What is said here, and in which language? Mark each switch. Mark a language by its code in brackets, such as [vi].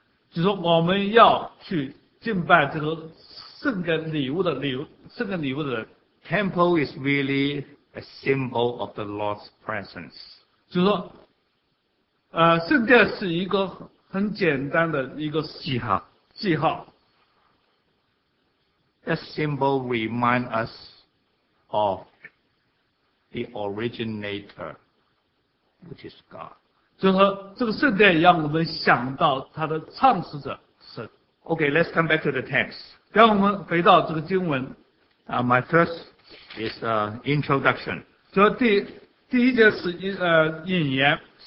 [zh] 就说我们要去敬拜这个圣给礼物的圣给礼物的人。 [en] Temple is really a symbol of the Lord's presence. [zh] 就是说圣殿是一个很简单的一个记号。 [en] That symbol remind us of the originator, which is God. [zh] 就是说这个圣殿让我们想到它的创始者神。 [en] Okay, let's come back to the text. [zh] 让我们回到这个经文。 [en] My first is introduction. [zh] 就是第一节是引言